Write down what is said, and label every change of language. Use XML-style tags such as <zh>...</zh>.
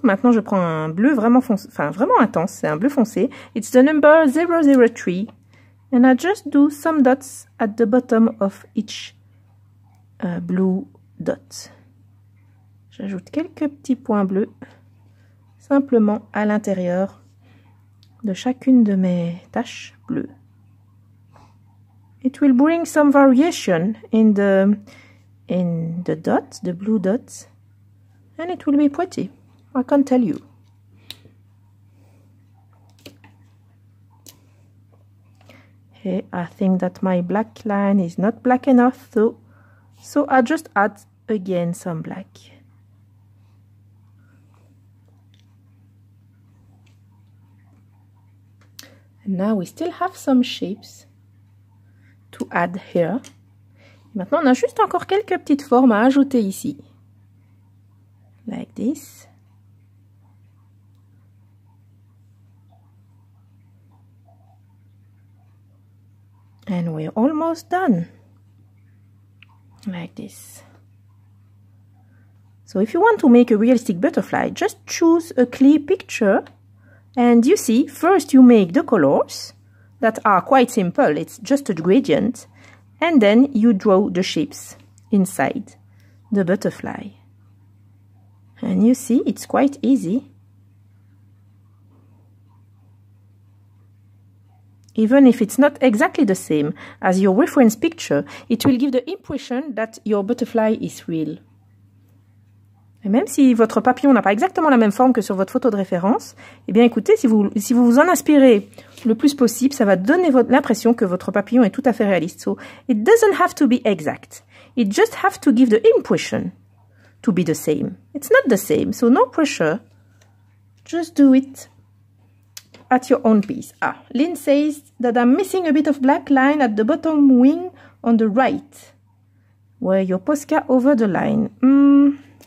<fr>Maintenant, je prends un bleu vraiment foncé, enfin vraiment intense. C'est un bleu foncé.</fr> <en>It's the number 003. And I just do some dots at the bottom of each blue dot.</en> <fr>J'ajoute quelques petits points bleus simplement à l'intérieur de chacune de mes taches bleues.</fr> <en>It will bring some variation in the dots, the blue dots, and it will be pretty. I can't tell you. Hey, I think that my black line is not black enough, so I just add again some black. And now we still have some shapes to add here.</en> <fr>Maintenant, on a juste encore quelques petites formes à ajouter ici.</fr> <en>Like this. And we're almost done. Like this. So if you want to make a realistic butterfly, just choose a clear picture And you see, first you make the colors that are quite simple. It's just a gradient. And then you draw the shapes inside the butterfly. And you see, it's quite easy. Even if it's not exactly the same as your reference picture, it will give the impression that your butterfly is real.</en> <fr>Et même si votre papillon n'a pas exactement la même forme que sur votre photo de référence, eh bien écoutez, si vous vous en inspirez le plus possible, ça va donner l'impression que votre papillon est tout à fait réaliste.</fr> <en>So, it doesn't have to be exact. It just have to give the impression to be the same. It's not the same, so no pressure. Just do it at your own pace. Ah, Lynn says that I'm missing a bit of black line at the bottom wing on the right, where your Posca over the line.</en>